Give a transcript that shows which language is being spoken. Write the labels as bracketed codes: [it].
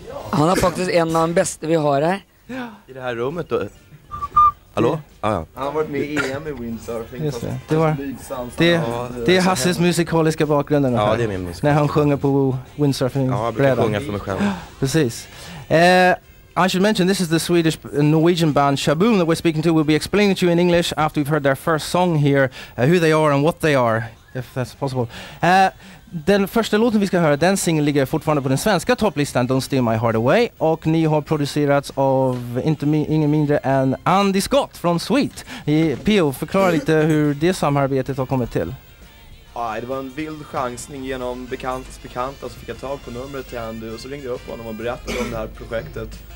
[sv] Han är faktiskt en av de bästa vi har här. I det här rummet då? Hallå? Ah, ja. Han har varit med i EM i windsurfing. Just det var det är Hasses musikaliska bakgrund. Ja, det är min musik. När han sjunger på windsurfing. Ja, jag brukar sjunga för mig själv. Precis. [en] I should mention this is the Swedish Norwegian band Sha-Boom that we're speaking to. We'll be explaining to you in English after we've heard their first song here, who they are and what they are, if that's possible. [sv] Den första låten vi ska höra, den singeln ligger fortfarande på den svenska topplistan, Don't Steal My Heart Away. Och ni har producerats av ingen mindre än Andy Scott från Sweet. Pio, förklara lite hur det samarbetet har kommit till. Ja, det var en vild chansning genom bekanta så fick jag tag på numret till Andy och så ringde jag upp honom och berättade om det här projektet.